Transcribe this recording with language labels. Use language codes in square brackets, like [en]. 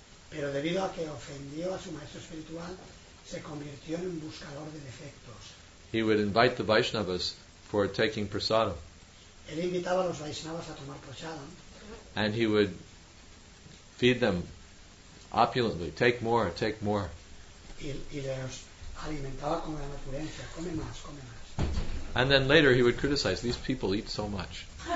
[es] Pero debido a que ofendió a su maestro espiritual, se convirtió en un buscador de defectos. [en] He would invite the Vaishnavas for taking prasadam. [es] Él invitaba a los Vaishnavas a tomar prasadam. [en] And he would feed them opulently, take more, take more. [es] Y los alimentaba con gran opulencia, come más, come más. [en] And then later he would criticize, these people eat so much.